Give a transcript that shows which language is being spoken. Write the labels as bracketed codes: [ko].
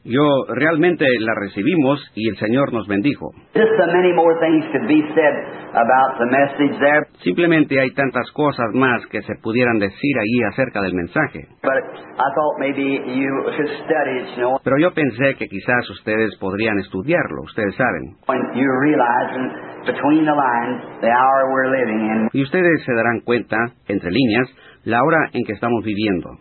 [es] Yo realmente la recibimos y el Señor nos bendijo. [en] Just so many more things could be said about the message there. [es] Simplemente hay tantas cosas más que se pudieran decir allí acerca del mensaje. [en] But I thought maybe you could study it, you know. [es] Pero yo pensé que quizás ustedes podrían estudiarlo, ustedes saben. [en] When you realize between the lines the hour we're living in. [es] Y ustedes se darán cuenta, entre líneas, la hora en que estamos viviendo.